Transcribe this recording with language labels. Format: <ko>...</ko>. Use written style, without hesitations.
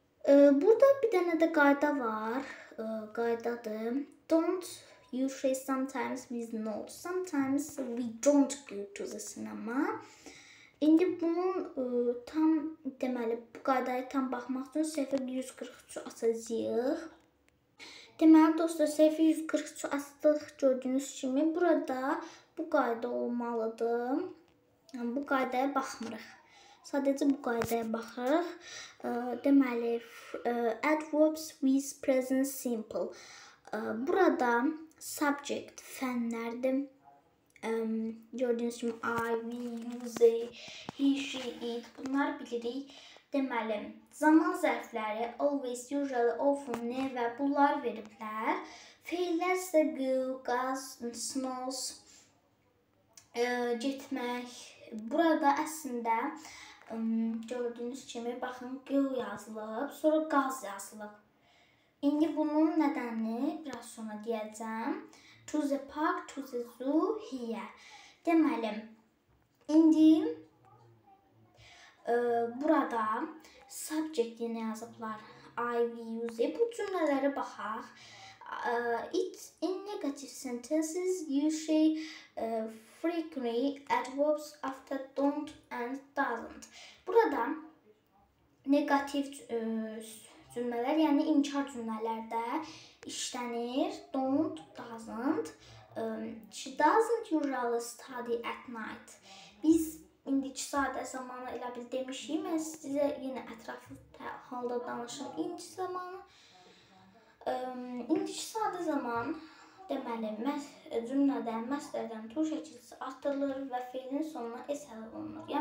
<az>Burada bir dənə də qayda var. Qaydadır.</az> <en>Don't usually sometimes we not. Sometimes we don't go to the cinema.</en> <az>İndi bunun tam deməli bu qaydaya tam baxmaq üçün səhifə 143 açacağıq. Deməli dostlar, səhifə 143 açdıq gördüyünüz kimi burada bu qayda olmalıdır. Yəni bu qaydaya baxmırıq. Sadəcə bu qaydaya baxırıq.</az> <en>Deməli adverbs with present simple.</en> <az>Burada subject fənlərdir. Gördüyünüz kimi I, we, you, they, he, she, it. Bunlar bilirik. Deməli zaman zərfləri always, usually, often, never bunlar veriblər. Fəillər isə go, goes, knows, getmək. Burada əslində gördüyünüz kimi baxın go yazılıb, sonra goes yazılıb. İndi bunun nədənini biraz sonra deyəcəm.</az> <en>To the park, to the zoo, here.</en> <az>Deməli, indi burada subject yenə yazıblar. I, we, you, they. Bu cümlələrə baxaq.</az> <en>It's in negative sentences, usually frequently adverbs after don't and doesn't.</en> <az>Burada negatif cümlələr, yəni inkar cümlələrdə işlənir.</az> <en>Don't, doesn't. She doesn't usually study at night.</en> <az>Biz indiki saatə zamanı elə biz demişik. Mən sizə yenə ətraflı halda danışım. İndiki zamanı. İndiki saatə zaman deməli cümlədə məsdərdən tur şəkilsi artırılır və fiilin sonuna s əlavə olunur.</az>